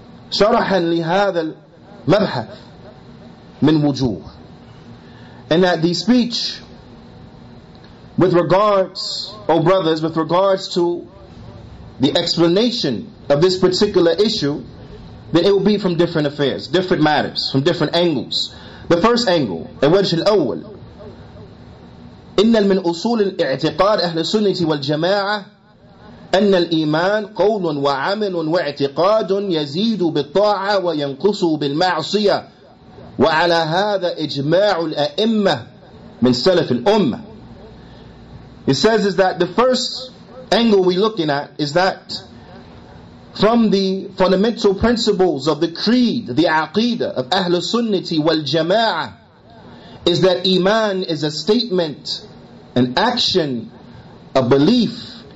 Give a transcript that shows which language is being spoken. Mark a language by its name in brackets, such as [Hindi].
[Arabic] شرحا لهذا المبحث من وجوه. [English] And that the speech with regards, oh brothers, with regards to the explanation of this particular issue, then it will be from different affairs, different matters, from different angles. The first angle, [Arabic] الوجه الأول, إن من أصول الاعتقاد أهل السنة والجماعة أن الإيمان قول وعمل واعتقاد يزيد بالطاعة وينقص بالمعصية وعلى هذا إجماع الأئمة من سلف الأمة. [English] It says is that the first angle we're looking at is that from the fundamental principles of the creed, the aqidah of Ahl Sunnati wal Jama'ah, is that Iman is a statement, an action, a belief.